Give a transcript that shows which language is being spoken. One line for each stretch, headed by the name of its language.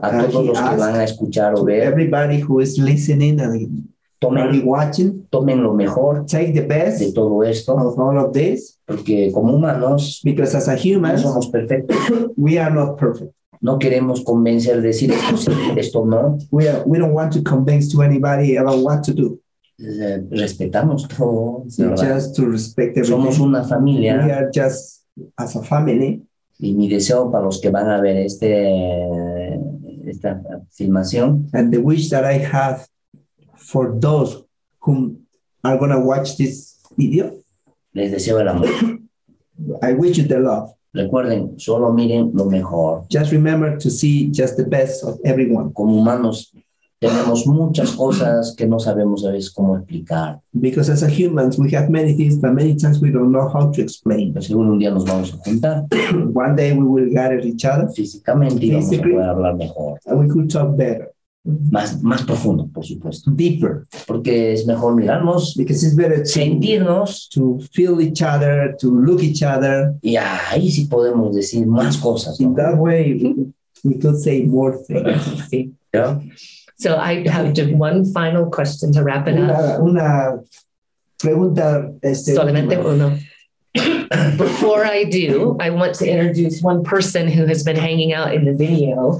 Spanish: A todos los que van a escuchar o ver.
English: Everybody who is listening and watching.
Spanish: Tomen lo mejor.
English: Take the best.
Spanish: De todo esto.
English: Of all of this.
Spanish: Porque como humanos.
English: Because as a human.
Spanish: No somos perfectos.
English: We are not perfect.
Spanish: No queremos convencer, decir esto sí, esto no.
English: We don't want to convince to anybody about what to do.
Spanish: Respetamos todo.
English: Just to respect everything.
Spanish: Somos una familia.
English: We are just as a family.
Spanish: Y mi deseo para los que van a ver este, esta filmación.
English: And the wish that I have for those who are going to watch this video.
Spanish: Les deseo el amor.
English: I wish you the love.
Spanish: Recuerden, solo miren lo mejor.
English: Just remember to see just the best of everyone.
Spanish: Como humanos, tenemos muchas cosas que no sabemos a veces cómo explicar.
English: Because as a humans, we have many things, but many times we don't know how to explain.
Spanish: Pero según un día nos vamos a juntar.
English: One day we will gather each other.
Spanish: Físicamente y vamos a poder hablar mejor.
English: And we could talk better.
Spanish: Más profundo, por supuesto.
English: Deeper.
Spanish: Porque es mejor mirarnos.
English: Because it's better to,
Spanish: sentirnos.
English: To feel each other, to look each other.
Spanish: Y ahí sí podemos decir más cosas, ¿no?
English: In that way, we could say more things.
Spanish: Sí.
English: Yeah. So I have just one final question to wrap it up.
Spanish: Una pregunta. Solamente uno.
English: Before I do, I want to introduce one person who has been hanging out in the video.